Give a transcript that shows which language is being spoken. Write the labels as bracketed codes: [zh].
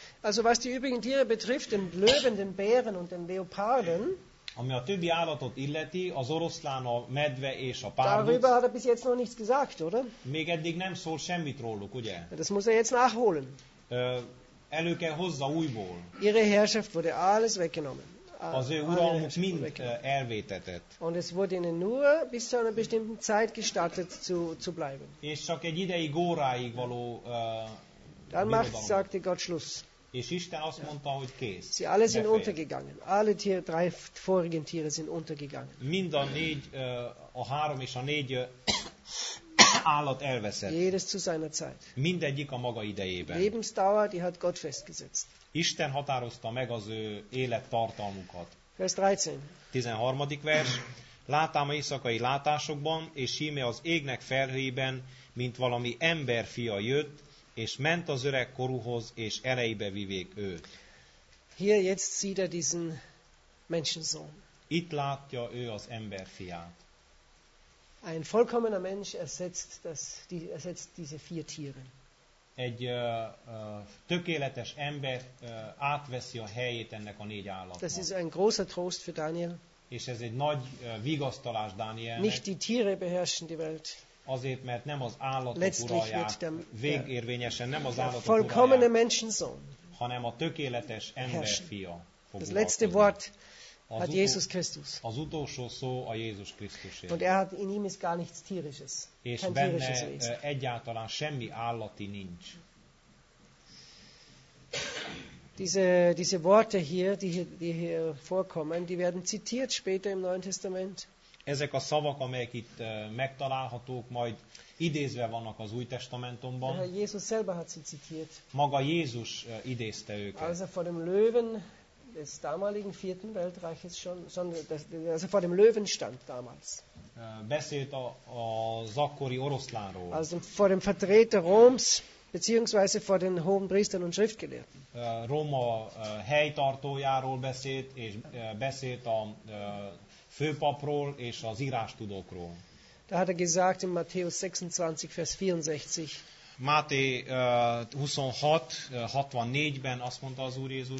[de] Also was die übrigen Tiere betrifft, den Löwen, den Bären und den Leoparden, [hu] ami a többi állatot illeti, az oroszlán, a medve és a párduc. [de] Darüber hat er bis jetzt noch nichts gesagt, oder? [hu] Még eddig nem szól semmit róluk, ugye? [de] Das muss er jetzt nachholen. [hu] Elő kell hozza újból. [de] Ihre Herrschaft wurde alles weggenommen. [hu] Az ő uralmuk mind elvétetett. [de] Und es wurde ihnen nur bis zu einer bestimmten Zeit gestattet zu bleiben. [hu] És csak egy ideig, óráig való [de] dann macht, sagte Gott, Schluss. [hu] És Isten azt mondta, hogy kész. [de] Sie alle sind befejezt. Untergegangen. Alle Tiere, drei vorigen Tiere sind untergegangen. [hu] Mind a négy, a három és a négy állat elveszett. [de] Jedes zu seiner Zeit. [hu] Mindegyik a maga idejében. [de] Lebensdauer, die hat Gott festgesetzt. [hu] Isten határozta meg az ő élettartalmukat. [de] Vers 13. [hu] 13. vers. Látám a éjszakai látásokban, és íme az égnek felhőjében, mint valami ember fia jött, és ment az öreg korúhoz, és elejébe vivék őt. [de] Hier jetzt sieht er diesen Menschensohn. [hu] Itt látja ő az ember fiát. [de] Ein vollkommener Mensch ersetzt diese vier Tiere. [hu] Egy tökéletes ember átveszi a helyét ennek a négy állatnak. [de] Das ist ein großer Trost für Daniel. [hu] És ez egy nagy vigasztalás Dánielnek. [de] Nicht die Tiere beherrschen die Welt. [hu] Azért, mert nem az állatok uralják. Végérvényesen nem az állatok uralják. [de] Vollkommene Menschensohn. [hu] Hanem a tökéletes ember fia. [de] Das letzte Wort hat Jesus Christus. [hu] Az utolsó szó a Jézus Krisztusért. [de] Und er hat in ihm ist gar nichts tierisches. [hu] És benne egyáltalán semmi állati nincs. [de] Diese Worte hier, die hier vorkommen, die werden zitiert später im Neuen Testament. [hu] Ezek a szavak, amelyek itt megtalálhatók, majd idézve vannak az Új Testamentumban. [de] Jézus selber hat sie zitiert. [hu] Maga Jézus idézte őket. [de] Also vor dem Löwen des damaligen vierten Weltreiches schon also vor dem Löwen stand damals. [hu] Beszélt az akkori oroszlánról. [de] Also vor dem Vertreter Roms, beziehungsweise vor den hohen Priestern und Schriftgelehrten. [hu] Roma helytartójáról beszélt, és beszélt a főpapról és az írástudókról. [de] Da hat er gesagt in Matthäus 26, Vers 64. [hu] Máté 26:64-ben azt mondta az Úr Jézus.